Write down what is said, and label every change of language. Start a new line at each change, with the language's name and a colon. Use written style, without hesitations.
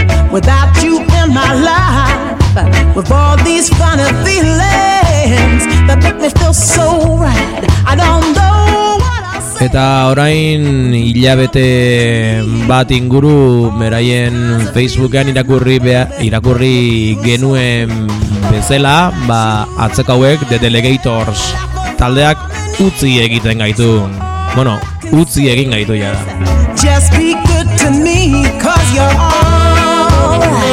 English: Without you in my life, with all these funny feelings that make me feel so right, I don't know.
Basque: Eta orain hilabete bat inguru beraien Facebookean irakurri genuen bezala, ba, atzeko hauek The Delegators taldeak utzi egiten gaitu. Bueno, utzi egin gaitu ja.
English: Just be good to me, 'cause you're all.